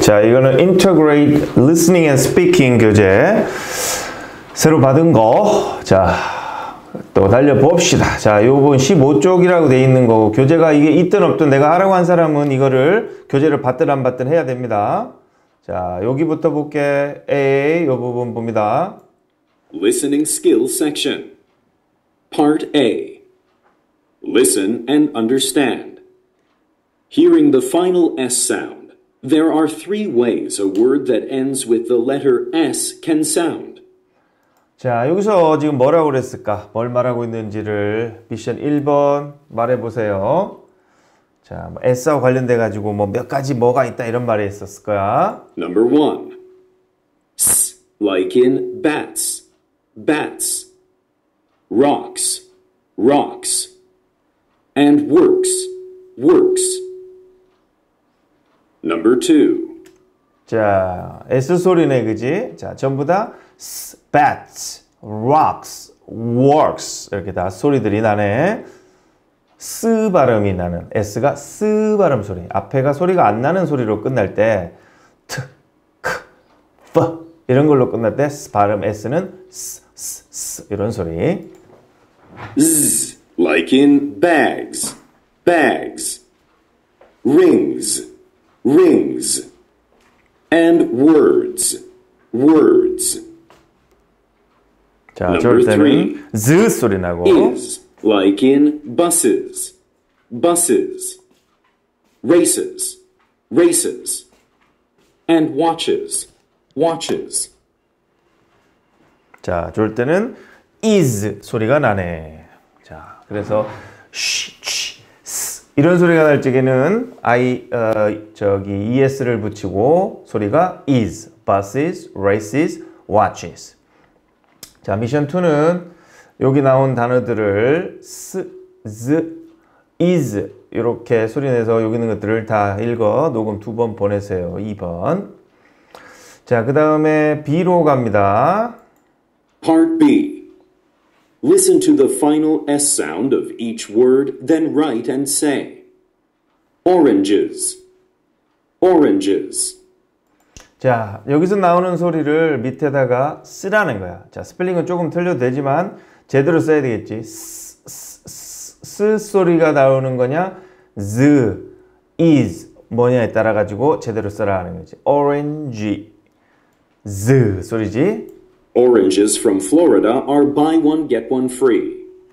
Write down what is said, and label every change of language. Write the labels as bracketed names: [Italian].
[Korean] 자, 이거는 Integrate Listening and Speaking 교재. 새로 받은 거. 자, 또 달려봅시다. 자, 요 부분 15쪽이라고 돼 있는 거고, 교재가 이게 있든 없든 내가 하라고 한 사람은 이거를 교재를 받든 안 받든 해야 됩니다. 자, 여기부터 볼게. A, 요 부분 봅니다. [English] Listening Skills Section. Part A. Listen and Understand. Hearing the final S sound, there are three ways a word that ends with the letter S can sound. [Korean] 자, 여기서 지금 뭐라고 그랬을까? 뭘 말하고 있는지를 미션 1번 말해보세요. 자, 뭐 S와 관련돼가지고 뭐 몇 가지 뭐가 있다 이런 말이 있었을 거야. [English] Number 1. S, like in bats, bats. Rocks, rocks. And works, works. Number 2. [Korean] 자, S 소리네, 그지? 자, 전부 다 S, bats, rocks, works. 이렇게 다 소리들이 나네. S 발음이 나는. S가 S 발음 소리. 앞에가 소리가 안 나는 소리로 끝날 때, T, K, F. 이런 걸로 끝날 때, S 발음 S는 S, S, S. 이런 소리. [English] Z, like in bags, bags, rings. Rings and words, words. [Korean] 자, [English] number three, [Korean] z 소리 나고. [English] Is like in buses, buses, races, races, and watches, watches. [Korean] 자, 저럴 때는 is 소리가 나네. 자, 그래서 sh. 이런 소리가 날 적에는 I, 저기 ES를 붙이고 소리가 is, buses, races, watches. 자, 미션 2는 여기 나온 단어들을 s, z, is 이렇게 소리내서 여기 있는 것들을 다 읽어 녹음 두 번 보내세요. 2번. 자, 그 다음에 B로 갑니다. [English] Part B. Listen to the final S sound of each word, then write and say. Oranges. Oranges. [Korean] 자, 여기서 나오는 소리를 밑에다가 쓰라는 거야. 자, 스펠링은 조금 틀려도 되지만 제대로 써야 되겠지. 쓰 소리가 나오는 거냐? Z, is 뭐냐에 따라 가지고 제대로 써라 하는 거지. Orange. Z 소리지. [English] Oranges from Florida are buy one get one free.